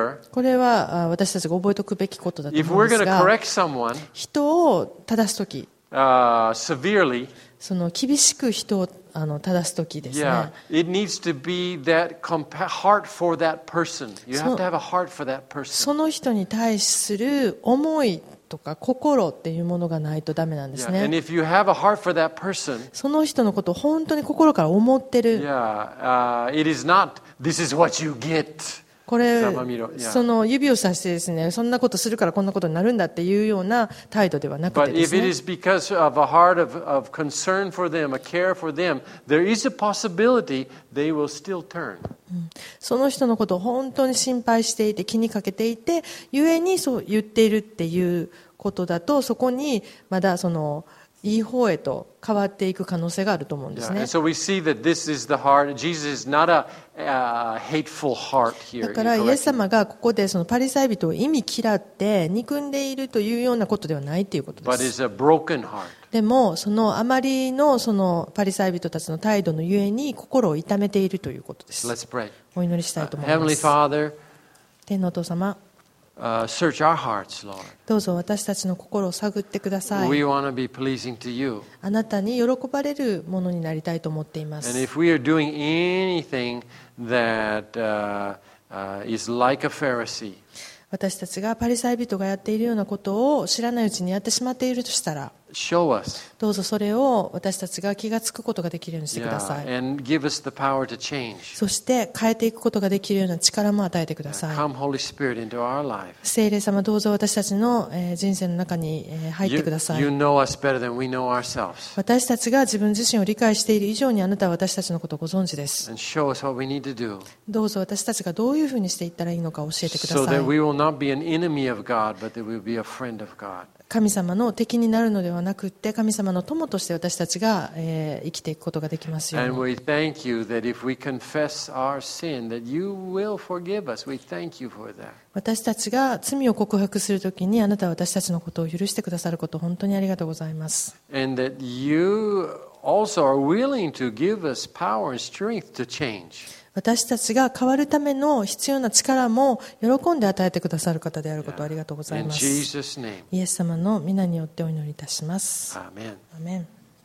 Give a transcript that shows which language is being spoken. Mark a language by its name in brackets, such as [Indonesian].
[Japanese] これは私たちが覚えておくべきことだと思うんですが、 [English] If we're someone, [Japanese] 人を正すとき、 [English] severely, [Japanese] その厳しく人を正すときですね。 [English] Yeah, it needs to be that heart for that person. You have to have a heart for that person. [Japanese] その人に対する思いとか心っていうものがないとダメなんですね。 [English] And if you have a heart for that person, [Japanese] その人のことを本当に心から思ってる、 [English] yeah, it is not, this is what you get. [Japanese] これ、その指をさしてですね、そんなことするからこんなことになるんだっていうような態度ではなくてですね、 [English] But if it is because of a heart of concern for them, a care for them, there is a possibility they will still turn. [Japanese] その人のことを本当に心配していて気にかけていて、ゆえにそう言っているっていうことだと、そこにまだそのいい方へと変わっていく可能性があると思うんですね。 [English] So we see that this is the heart. Jesus is not a hateful heart here. [Japanese] だからイエス様がここでそのパリサイ人を忌み嫌って憎んでいるというようなことではないということです。 [English] But it's a broken heart. [Japanese] でもそのあまりのそのパリサイ人たちの態度のゆえに心を痛めているということです。 [English] Let's pray. [Japanese] お祈りしたいと思います。 [English] Heavenly Father, [Japanese] 天のお父様、 [English] search our hearts, Lord. [Japanese] どうぞ私たちの心を探ってください。 [English] We want to be pleasing to you. [Japanese] あなたに喜ばれるものになりたいと思っています。 [English] And if we are doing anything that is like a Pharisee. [Japanese] 私たちがパリサイ人がやっているようなことを知らないうちにやってしまっているとしたら、どうぞそれを私たちが気がつくことができるようにしてください。 [English] Yeah, and give us the power to change. [Japanese] そして変えていくことができるような力も与えてください。 [English] Come Holy Spirit into our life. [Japanese] 聖霊様、どうぞ私たちの人生の中に入ってください。 [English] You know us better than we know ourselves. [Japanese] 私たちが自分自身を理解している以上にあなたは私たちのことをご存知です。 [English] And show us what we need to do. [Japanese] どうぞ私たちがどういうふうにしていったらいいのか教えてください。 [English] So that we will not be an enemy of God, but that we will be a friend of God. [Japanese] 神様の敵になるのではなくて、神様の友として私たちが生きていくことができますように。 [English] And we thank you that if we confess our sin, that you will forgive us. We thank you for that. [Japanese] 私たちが罪を告白するときに、あなたは私たちのことを許してくださること本当にありがとうございます。 [English] And that you also are willing to give us power and strength to change. [Japanese] 私たちが変わるための必要な力も喜んで与えてくださる方であることをありがとうございます。イエス様の御名によってお祈りいたします。アーメン。